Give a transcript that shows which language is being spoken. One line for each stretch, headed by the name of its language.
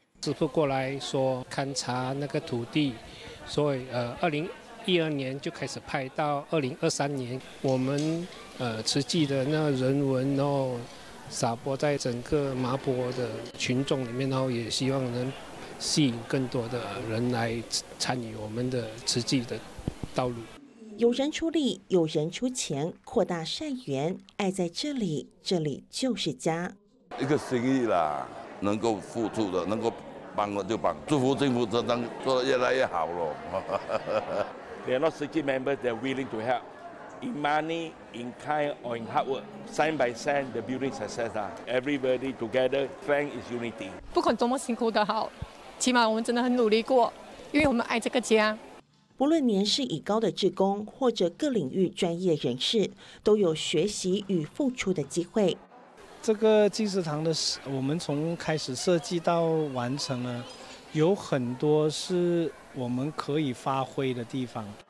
Chinese: 师父过来说勘察那个土地，所以2012年就开始派到2023年，我们慈济的那人文哦，撒播在整个麻坡的群众里面，然后也希望能吸引更多的人来参与我们的慈济的。有人出力，有人出钱，扩大善缘，爱在这里，这里就是家。一个心意啦，能够付出的，能够帮的就帮，祝福政府真的做得越来越好了。
English: They are not
Chinese: 实际
English: members, they are willing to help. in money, in kind, or in hard work. Sign by sign, the building success. Everybody together, strength is unity.
Chinese: 不管多么辛苦都好，起码我们真的很努力过，因为我们爱这个家。不论年事已高的志工或者各领域专业人士，都有学习与付出的机会。这个金石堂的，我们从开始设计到完成了，有很多是我们可以发挥的地方。